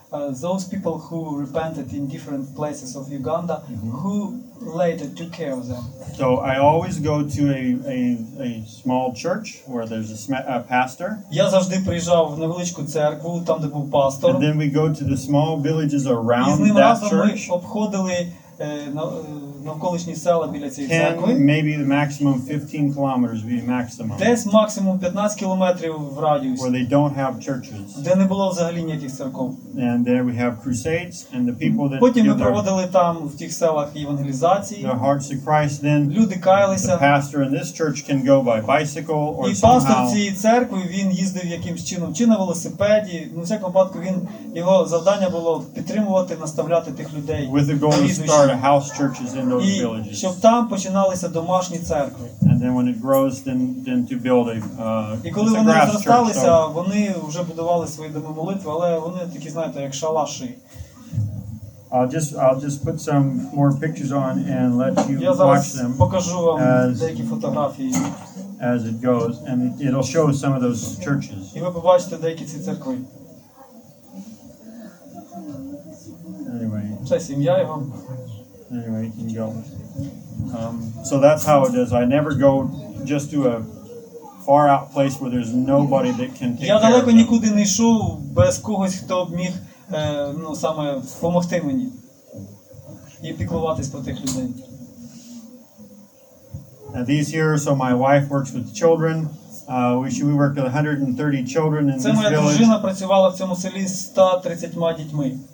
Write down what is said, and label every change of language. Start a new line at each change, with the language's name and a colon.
English: Those people who repented in different places of Uganda, mm-hmm. who later took care of them? So I always go to a small church where there's a pastor.
Ukrainian: Я завжди приїжджав в невеличку церкву, там де був пастор.
English: And then we go to the small villages around church.
Ukrainian: І з ним разом ми обходили навколишні села біля цієї церкви.
English: Maybe the maximum 15 kilometers would be maximum.
Ukrainian: Десь максимум 15 кілометрів в радіусі.
English: Where they don't have churches.
Ukrainian: Де не було взагалі ніяких церков.
English: And there we have crusades and the people that.
Ukrainian: Потім ми проводили там в тих селах євангелізації.
English: The hearts of Christ, then.
Ukrainian: Люди каялися.
English: The pastor in this church can go by bicycle or somehow.
Ukrainian: І пастор цієї церкви, він їздив якимсь чином, чи на велосипеді, ну, в всякому випадку, він його завдання було підтримувати, наставляти тих людей.
English: With the goal to start a house church in those villages.
Ukrainian: І щоб там починалися домашні церкви.
English: And then when it grows, then to build a grass.
Ukrainian: І коли вони зросталися, вони вже будували свої доми молитви, але вони такі, знаєте, як шалаші.
English: I'll just put some more pictures on and let you watch them.
Ukrainian: Я зараз покажу вам деякі фотографії.
English: As it goes, and it'll show some of those churches.
Ukrainian: І ви побачите деякі ці церкви.
English: Anyway.
Ukrainian: Це сім'я його.
English: Anyway, you can go. So that's how it is. I never go just to a far out place where there's nobody that can take care of me.
Ukrainian: Я далеко нікуди не йшов без когось, хто б міг, ну, саме допомогти мені і піклуватись про тих людей.
English: And these here, so my wife works with the children. We worked with 130 children in village.
Ukrainian: Це моя дружина працювала в цьому селі з 130 дітьми.